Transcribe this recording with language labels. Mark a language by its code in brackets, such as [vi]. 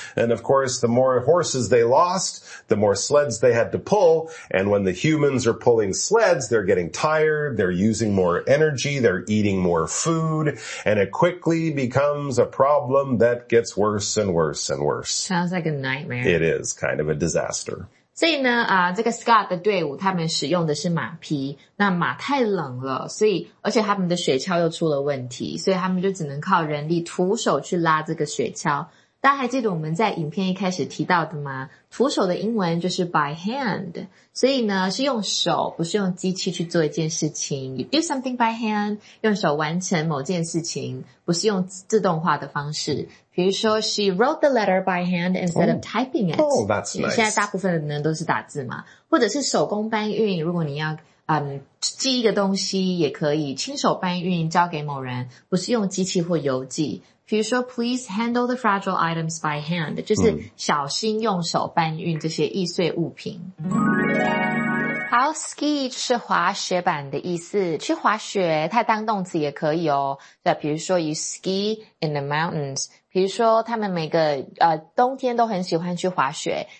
[en] And of course, the more horses they lost, the more sleds they had to pull. And when the humans are pulling sleds, they're getting tired, they're using more energy, they're eating more food, and it quickly becomes a problem that gets worse and worse and worse. Sounds like a nightmare. It is kind of a disaster. [zh] 所以呢, 这个 Scott的队伍, 他们使用的是马匹, 那马太冷了, 所以, 而且他们的雪橇又出了问题, 所以他们就只能靠人力徒手去拉这个雪橇。大家还记得我们在影片一开始提到的吗? 徒手的英文就是 by hand. 所以呢, 是用手, 不是用机器去做一件事情。 [en] You do something by hand, [zh] 用手完成某件事情, 不是用自动化的方式。比如说, [en] she wrote the letter by hand instead of typing it. Oh, that's nice. [zh] 现在大部分的人都是打字嘛。或者是手工搬运, 如果你要 寄一个东西也可以, 亲手搬运, 交给某人, 不是用机器或邮寄。比如说, [en] please handle the fragile items by hand. [zh] 就是小心用手搬运这些易碎物品。好, ski 是滑雪板的意思。去滑雪,它当动词也可以哦。比如说, [en] you ski in the mountains. [zh] 比如说,他们每个, 冬天都很喜欢去滑雪。